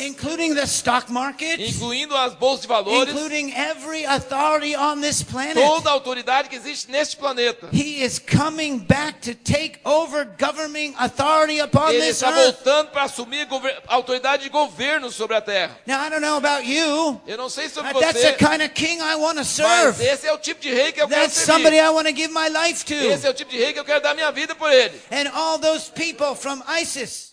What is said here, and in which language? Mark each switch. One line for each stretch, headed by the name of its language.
English: including the stock market,
Portuguese: incluindo as bolsas de valores,
English: including every authority on this planet,
Portuguese: toda a autoridade que existe neste planeta.
English: He is coming back back to take over governing authority upon
Portuguese: Ele
English: this
Portuguese: está
English: earth.
Portuguese: Voltando para assumir autoridade de governo sobre a terra.
English: Now, I don't know about you,
Portuguese: eu não sei sobre
English: but
Portuguese: você,
English: that's the kind of king I want to serve.
Portuguese: Mas esse é o tipo de rei que eu
English: that's
Portuguese: quero servir.
English: Somebody I want to give my life to.
Portuguese: Esse é o tipo de rei que eu quero dar minha vida por ele.
English: And all those people from ISIS,